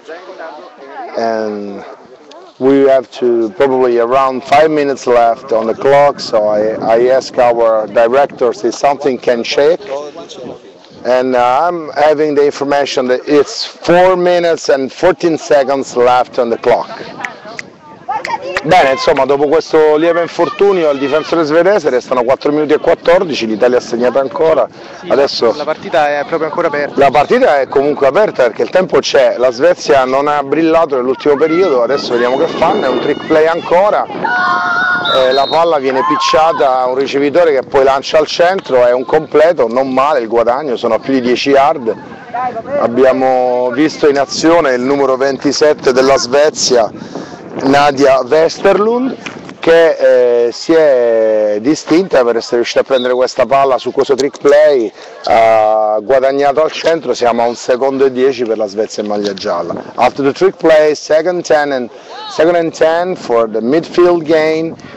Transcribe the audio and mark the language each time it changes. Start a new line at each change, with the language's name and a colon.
English: And we have to probably around 5 minutes left on the clock. So I ask our directors if something can shake. And I'm having the information that it's 4 minutes and 14 seconds left on the clock.
Italian: Bene, insomma, dopo questo lieve infortunio al difensore svedese restano 4 minuti e 14, l'Italia ha segnato ancora. Sì, adesso la partita è proprio ancora aperta. La partita è comunque aperta perché il tempo c'è, la Svezia non ha brillato nell'ultimo periodo, adesso vediamo che fanno, è un trick play ancora. La palla viene picciata a un ricevitore che poi lancia al centro, è un completo, non male il guadagno, sono a più di 10 yard. Abbiamo visto in azione il numero 27 della Svezia, Nadia Westerlund, che si è distinta per essere riuscita a prendere questa palla su questo trick play, ha guadagnato al centro, siamo a un secondo e 10 per la Svezia in maglia gialla.
English: After the trick play, second and ten for the midfield gain.